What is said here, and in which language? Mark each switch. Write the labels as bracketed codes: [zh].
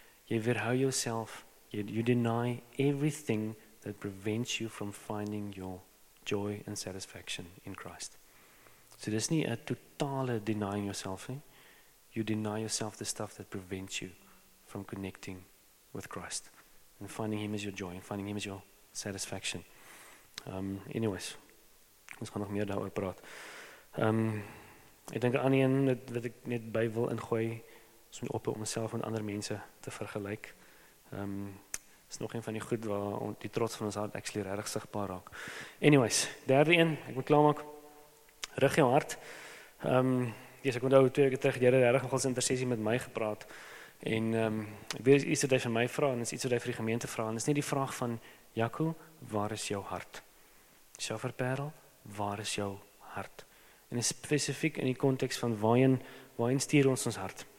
[af] Jy weerhou jouself, [en] you deny everything that prevents you from finding your joy and satisfaction in Christ. [af] So dis nie 'n totale [en] denying yourself nie. You deny yourself the stuff that prevents you from connecting with Christ and finding him as your joy and finding him as your satisfaction. [af] Anyways, ons gaan nog meer daaroor praat. Ek dink aan een wat ek net by wil ingooi, is om op om myself en ander mense te vergelyk. Is nog een van die goed waar die trots van ons hart actually regtig sigbaar raak. Anyways, derde een, ek moet klaarmaak, rig jou hart. Ek onthou 2 weke terug, die Here het regtig nogal 'n intersessie met my gepraat, en ek weet iets wat hy vir my vra, en is iets wat hy vir die gemeente vra, en is nie die vraag van, Jaco, waar is jou hart? Shaffer Perel, waar is jou hart? En is spesifiek in die context van waarin stuur ons hart?